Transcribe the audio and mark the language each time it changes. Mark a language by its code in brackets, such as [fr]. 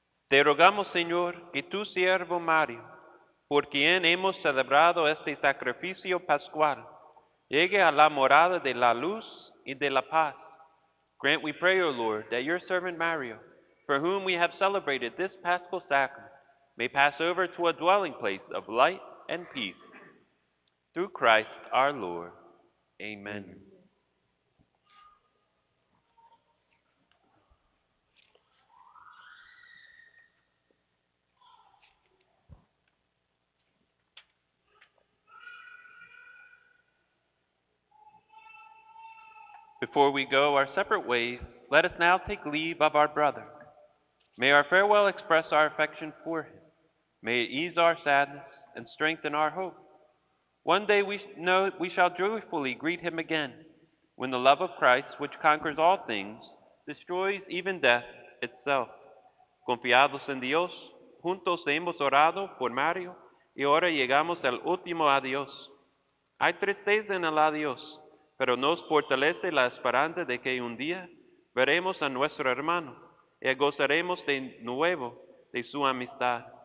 [es] Te rogamos, Señor, que tu siervo Mario, por quien hemos celebrado este sacrificio pascual, llegue a la morada de la luz y de la paz. [en] Grant, we pray, O Lord, that your servant Mario, for whom we have celebrated this paschal sacrament, may pass over to a dwelling place of light and peace. Through Christ our Lord. Amen. Amen. Before we go our separate ways, let us now take leave of our brother. May our farewell express our affection for him. May it ease our sadness and strengthen our hope. One day we know we shall joyfully greet him again, when the love of Christ, which conquers all things, destroys even death itself. [es] Confiados en Dios, juntos hemos orado por Mario, y ahora llegamos al último adiós. Hay tristeza en el adiós, pero nos fortalece la esperanza de que un día veremos a nuestro hermano y gozaremos de nuevo de su amistad.